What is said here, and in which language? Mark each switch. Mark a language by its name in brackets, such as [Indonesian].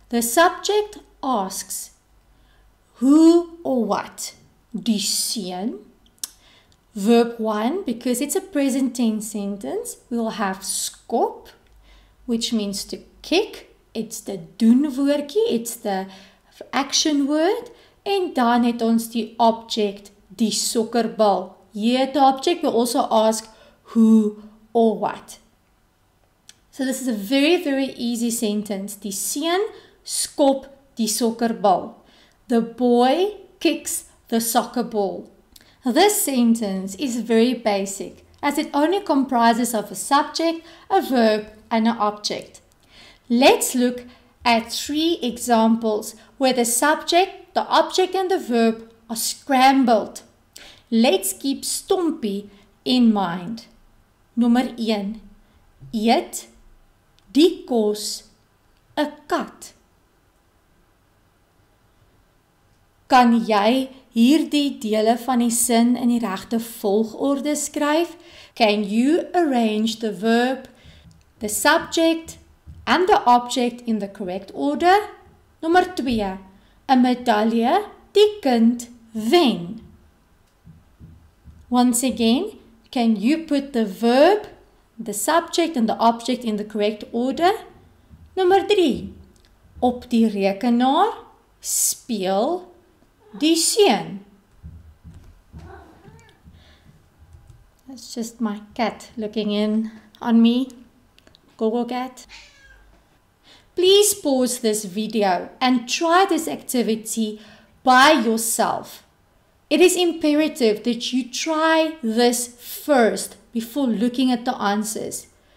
[English] The subject asks, who or what? [Afrikaans] Die seun. [English] Verb 1, because it's a present tense sentence, we'll have skop, which means to kick. It's the doen woordjie, it's the action word. [Afrikaans] En dan het ons die object, die sokkerbal. [English] Here the object will also ask who or what. So this is a very, very easy sentence. [Afrikaans] Die seun skop die sokkerbal. [English] The boy kicks the soccer ball. This sentence is very basic as it only comprises of a subject, a verb and an object. Let's look at 3 examples where the subject, the object and the verb are scrambled. Let's keep Stompie in mind. [Afrikaans] Nummer 1. Eet, die kos, 'n kat. Kan jy hierdie dele van die sin in die regte volgorde skryf? [English] Can you arrange the verb, the subject and the object in the correct order? [Afrikaans] Nummer 2. 'N medalje, die kind wen. [English] Once again, can you put the verb, the subject and the object in the correct order? [Afrikaans] Nummer 3. Op die rekenaar, speel, die seun. [English] That's just my cat looking in on me. Google cat. Please pause this video and try this activity by yourself. It is imperative that you try this first before looking at the answers.